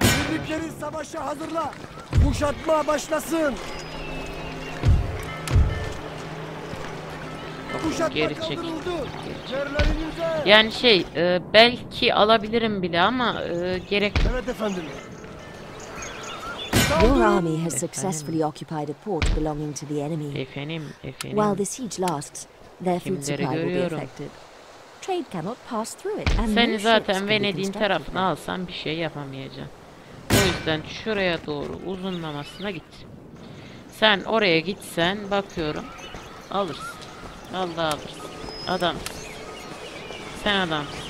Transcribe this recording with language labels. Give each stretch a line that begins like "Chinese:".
Turkish: Birliklerin savaşa hazırla. Kuşatma başlasın. Kuşatma geri kaldırıldı. Yerlerinize. Yani şey, belki alabilirim bile ama gerek. Evet efendim.
English: Your army has successfully occupied a port belonging to the enemy.
Turkish: Efendim.
English: While the siege lasts, their food supply will be affected. Trade cannot pass through it.
Turkish: Sen zaten Venedik'in tarafını alsan bir şey yapamayacaksın. O yüzden şuraya doğru uzunlamasına git. Sen oraya gitsen bakıyorum. Alırsın. Vallahi alırsın. Adam. Sen adam.